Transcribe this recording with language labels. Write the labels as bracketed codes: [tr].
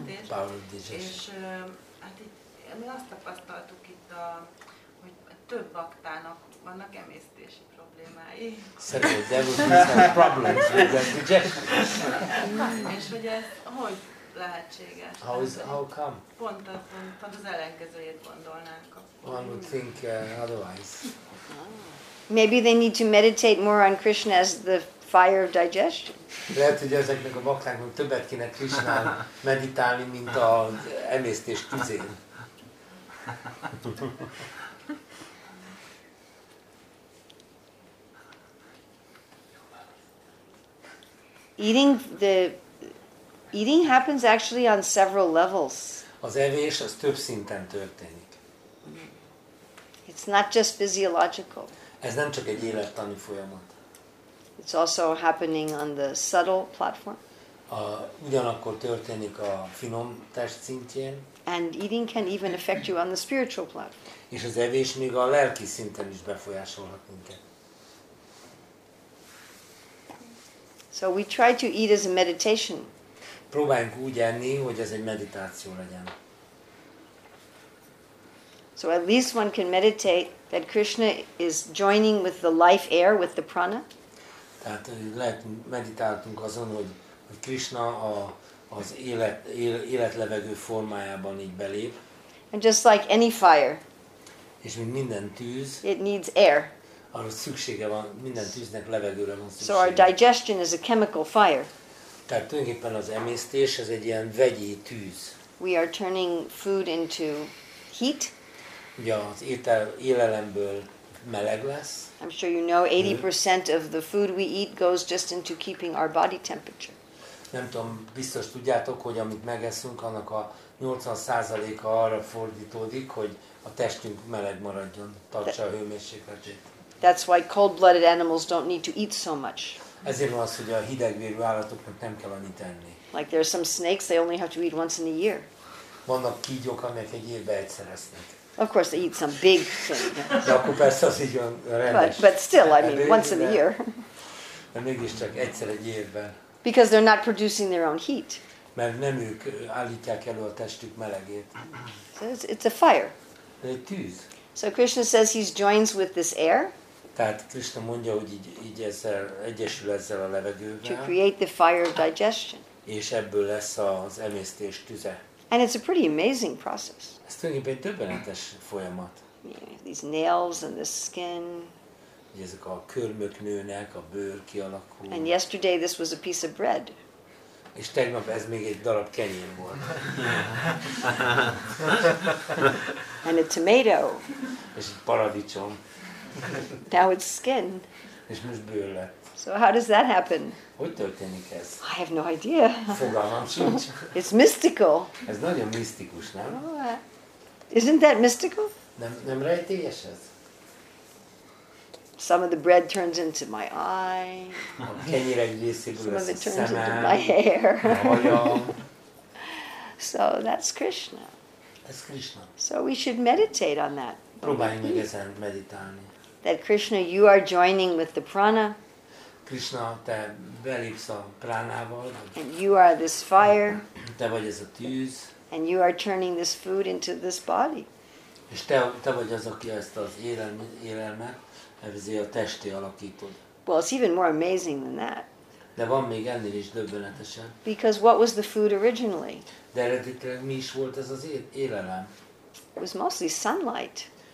[hu] És hát itt, mi azt tapasztaltuk itt, hogy több baktának vannak emésztési problémái. [en] Several devotees have problems with their digestion. [hu] És hogy ez hogy lehetséges? [en] How come? [hu] Pont az ellenkezőjét gondolnánk. [en] One would think otherwise. Maybe they need to meditate more on Krishna as the fire of digestion. [hu] Lehet, hogy ezeknek a baktáknak többet kéne Krishnán meditálni, mint az emésztés tüzén. [en] Eating happens actually on several levels. [hu] Az evés az több szinten történik. [en] It's not just physiological. [hu] Ez nem csak egy élettani folyamat. [en] It's also happening on the subtle platform. [hu] Ugyanakkor történik a finom test szintjén. [en] And eating can even affect you on the spiritual platform. [hu] És az evés még a lelki szinten is befolyásolhat minket. [en] So we try to eat as a meditation. [hu] Próbáljunk úgy enni, hogy ez egy meditáció legyen. [en] So at least one can meditate that Krishna is joining with the life air, with the prana. [hu] Tehát lehet, meditáltunk azon, hogy Krishna az életlevegő formájában így belép. [en] And just like any fire. [hu] És mint minden tűz. [en] It needs air. [hu] Arra szüksége van, minden tűznek levegőre van szüksége. [en] So our digestion is a chemical fire. [hu] Tehát tulajdonképpen az emésztés, ez egy ilyen vegyi tűz. [en] We are turning food into heat. [hu] Ugye az élelemből meleg lesz. [en] I'm sure you know 80% of the food we eat goes just into keeping our body temperature. [hu] Nem tudom, biztos tudjátok, hogy amit megeszünk, annak a 80%-a arra fordítódik, hogy a testünk meleg maradjon, tartsa a hőmérsékletét. [en] That's why cold-blooded animals don't need to eat so much. [hu] Ezért van az, hogy a hidegvérű állatoknak nem kell annyit enni. [en] Like there are some snakes, they only have to eat once in a year. [hu] Vannak kígyók, amelyek egy évben egyszer esznek. [en] Of course, they eat some big thing. [hu] De akkor persze az így van rendes. [en] But still, I mean, once in a year. [hu] De mégis csak egyszer egy évben. [en] Because they're not producing their own heat. [hu] Mert nem ők állítják elő a testük melegét. [en] So it's a fire. [hu] De egy tűz. [en] So Krishna says he joins with this air. [hu] Tehát Krishna mondja, hogy így ezzel, egyesül ezzel a levegővel. [en] To create the fire of digestion. [hu] és ebből lesz az emésztés tüze. [en] And it's a pretty amazing process. [hu] Ez tulajdonképpen egy döbbenetes folyamat. [en] These nails and the skin. [hu] Ezek a körmök nőnek, a bőr kialakul. [en] And yesterday this was a piece of bread. [hu] És tegnap ez még egy darab kenyér volt. [en] And a tomato. [hu] És egy paradicsom. [en] Now it's skin. [hu] És most bőr lett. [en] So how does that happen? [hu] Hogy történik ez? [en] I have no idea. [hu] Fogalmam sincs. [en] It's mystical. [hu] Ez nagyon misztikus, nem? [en] Isn't that mystical? [hu] Nem rejtélyes ez? [en] Some of the bread turns into my eye. [hu] A kenyér egy részéből lesz a szemem. [en] Some of it into my hair. So that's Krishna. [hu] Ez Krishna. [en] So we should meditate on that. [hu] Próbáljunk meg ezen meditálni. [en] That Krishna, you are joining with the prana. [hu] Krishna, te belépsz a pránával. [en] And you are this fire. [hu] Te vagy ez a tűz. [en] And you are turning this food into this body. [hu] És te vagy az, aki ezt az élelmet, ezért a testé alakítod. [en] Well, it's even more amazing than that. [hu] De van még ennél is döbbenetesen. [en] Because what was the food originally? [hu] De eredetileg mi is volt ez az élelem? [en] It was mostly sunlight.